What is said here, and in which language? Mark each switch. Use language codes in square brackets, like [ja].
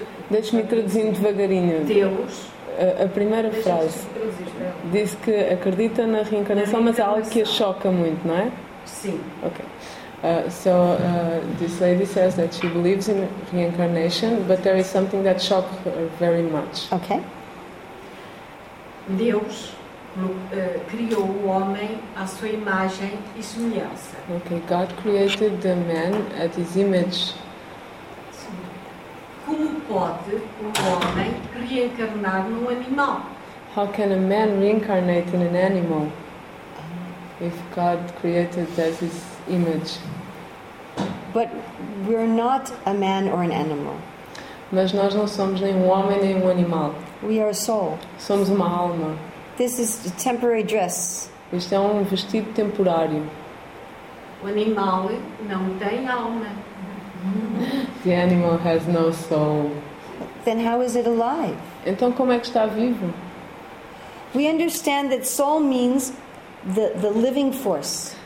[pt] Deixa-me traduzir devagarinho. Deus... A primeira frase diz que acredita na reencarnação, mas é algo que a choca muito, não é? Sim. Ok. [en] This lady says that she believes in reincarnation, but there is something that shocked her very much. Okay. [pt] Deus criou o homem à sua imagem e semelhança. [en] Okay, God created the man at his image. [pt] Como pode homem reencarnar num animal? [en] How can a man reincarnate in an animal if God created as his image? But we're not a man or an animal. [pt] Mas nós não somos nem um homem nem um animal. [en] We are a soul. [pt] Somos uma alma. [en] This is a temporary dress. [pt] Isto é um vestido temporário. O animal não tem alma. [en] The animal has no soul. Then how is it alive? [pt] Então como é que está vivo? [en] We understand that soul means the living force.